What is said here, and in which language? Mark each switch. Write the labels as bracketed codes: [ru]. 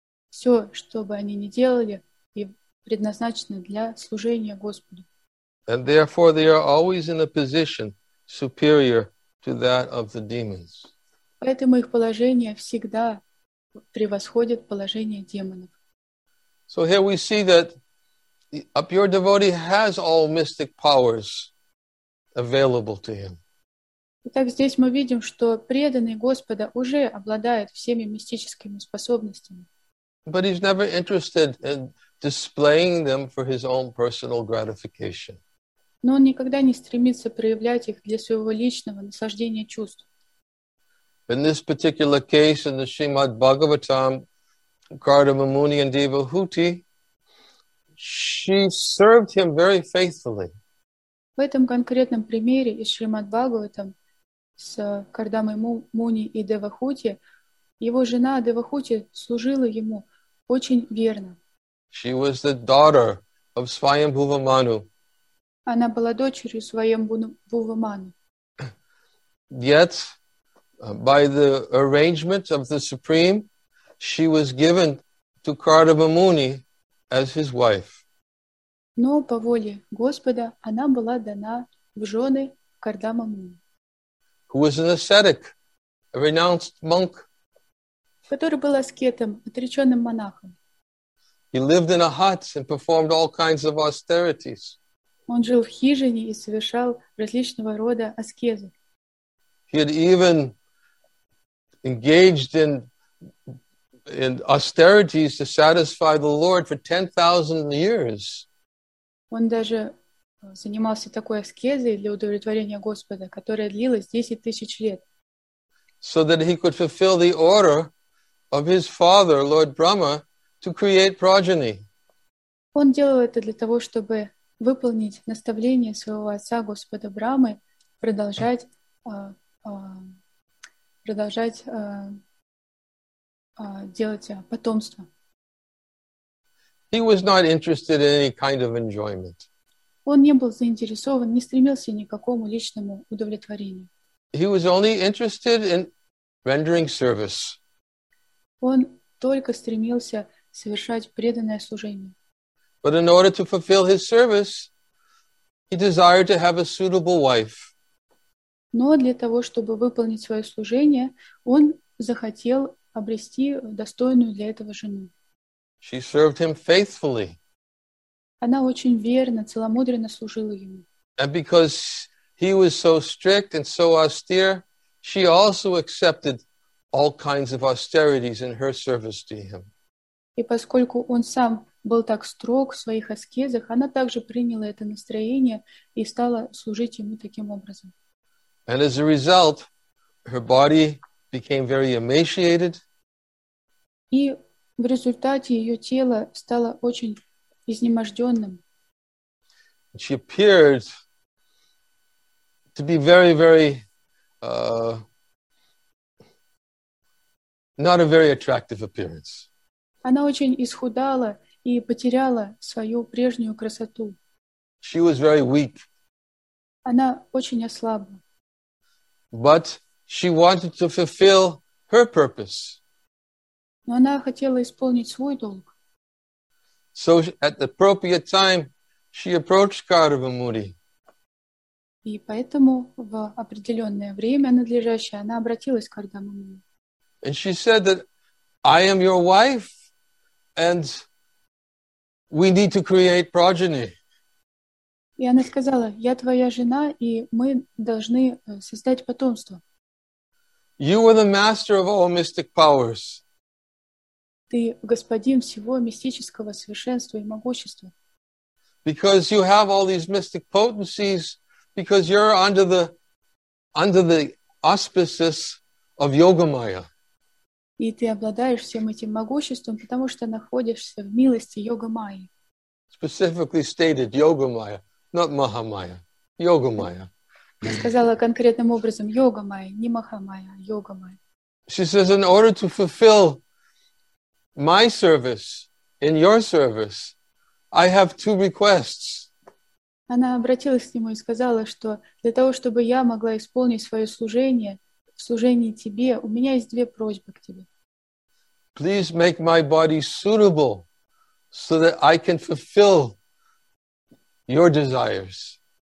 [ru] Все, что бы они ни делали, предназначены для служения Господу. [en] And therefore they are always in a position superior to that of the demons. [ru] Поэтому их положение всегда превосходит положение демонов. [en] So here we see that a pure devotee has all mystic powers available to him. [ru] Итак, здесь мы видим, что преданный Господа уже обладает всеми мистическими способностями. [en] But he's never interested in displaying them for his own personal gratification. [ru] Но он никогда не стремится проявлять их для своего личного наслаждения чувств. [en] In this particular case, in the Srimad Bhagavatam, Kardama Muni and Devahuti, she served him very faithfully. [ru] В этом конкретном примере из Шримад Бхагаватам с Кардамой Муни и Девахути, его жена Девахути служила ему очень верно. [en] She was the daughter of Svayambhuva Manu. [ru] Она была дочерью Свайамбхува Ману. [en] Yet, by the arrangement of the Supreme, she was given to Kardama Muni as his wife. [ru] Но по воле Господа она была дана в жены Кардама Муни. [en] Who was an ascetic, a renounced monk. [ru] Который был аскетом, отреченным монахом. [en] He lived in a hut and performed all kinds of austerities. [ru] Он жил в хижине и совершал различного рода аскезы. [en] He had even engaged in austerities to satisfy the Lord for 10,000 years. [ru] Он даже занимался такой аскезой для удовлетворения Господа, которая длилась 10,000 лет. [en] So that he could fulfill the order of his father, Lord Brahma, to create progeny. [ru] Он делал это для того, чтобы выполнить наставление своего отца Господа Брамы, продолжать делать потомство. [en] He was not interested in any kind of enjoyment. [ru] Он не был заинтересован, не стремился ни к какому личному удовлетворению. [en] He was only interested in rendering service. [ru] Он только стремился совершать преданное служение. [en] But in order to fulfill his service, he desired to have a suitable wife. [ru] Но для того, чтобы выполнить свое служение, он захотел обрести достойную для этого жену. [en] She served him faithfully. [ru] Она очень верно, целомудренно служила ему. [en] And because he was so strict and so austere, she also accepted all kinds of austerities in her service to him. [ru] И поскольку он сам был так строг в своих аскезах, она также приняла это настроение и стала служить ему таким образом. [en] And as a result, her body became very emaciated. [ru] И в результате ее тело стало очень изнеможденным. [en] She appeared to be very, very, not a very attractive appearance. [ru] Она очень исхудала и потеряла свою прежнюю красоту. [en] She was very weak. [ru] Она очень ослабла. [en] But she wanted to fulfill her purpose. [ru] Но она хотела исполнить свой долг. [en] So at the appropriate time, she approached Kārava Muni. [ru] И поэтому в определенное время надлежащее она обратилась к Кардама Муни. [en] And she said that I am your wife and we need to create progeny. [ru] И она сказала, я твоя жена, и мы должны создать потомство. [en] You are the master of all mystic powers. [ru] Ты господин всего мистического совершенства и могущества. [en] Because you have all these mystic potencies, because you're under the auspices of Yogamaya. [ru] И ты обладаешь всем этим могуществом, потому что находишься в милости Йогамайи. [en] Specifically stated, Yogamaya. Not Mahamaya, Yogamaya. [ru] Я сказала конкретным образом Йогамая, не Махамая, Йогамая. [en] She says, in order to fulfill my service in your service, I have two requests. [ru] Она обратилась к нему и сказала, что для того, чтобы я могла исполнить свое служение в служении тебе, у меня есть две просьбы к тебе. [en] Please make my body suitable so that I can fulfill your desires.